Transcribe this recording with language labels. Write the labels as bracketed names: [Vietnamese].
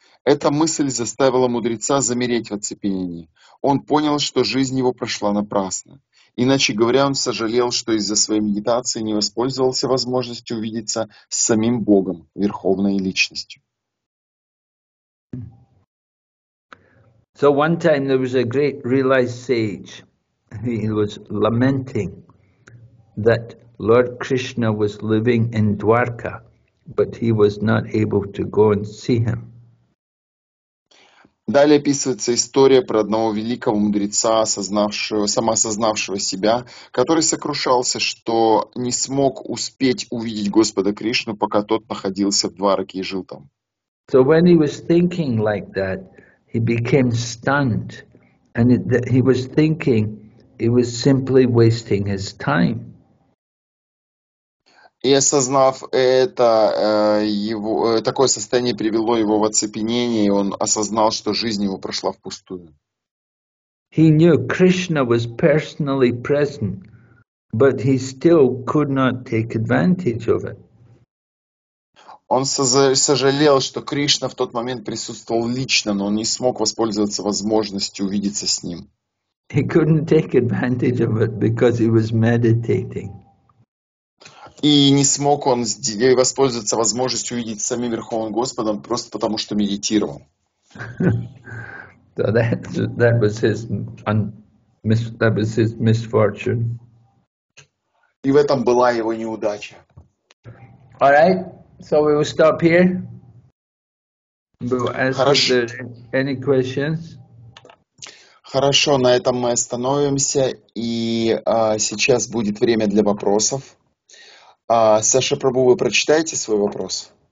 [Russian] Эта мысль заставила мудреца замереть в оцепенении. Он понял, что жизнь его прошла напрасно. Иначе говоря, он сожалел, что из-за своей медитации не воспользовался возможностью увидеться с самим Богом, Верховной Личностью. [English] So one time there was a great realized sage. He was lamenting that Lord Krishna was living in Dwarka, but he was not able to go and see him. [Russian] Далее описывается история про одного великого мудреца, самоосознавшего себя, который сокрушался, что не смог успеть увидеть Господа Кришну, пока тот находился в Двараке и жил там. [English] So when he was thinking like that, he became stunned, and he was thinking he was simply wasting his time. [Russian] И осознав это, его такое состояние привело его в оцепенение, и он осознал, что жизнь его прошла впустую. [English] He knew Krishna was personally present, but he still could not take advantage of it. [Russian] Он сожалел, что Кришна в тот момент присутствовал лично, но он не смог воспользоваться возможностью увидеться с ним. [English] He couldn't take advantage of it because he was meditating. [Russian] И не смог он воспользоваться возможностью увидеть самим Верховным Господом просто потому, что медитировал. [English] So that was his misfortune. [Russian] И в этом была его неудача. [English] All right. So we will stop here. We will ask if there are any questions. [Russian] Хорошо, на этом мы остановимся, и сейчас будет время для вопросов. Саша Прабу, вы прочитаете свой вопрос?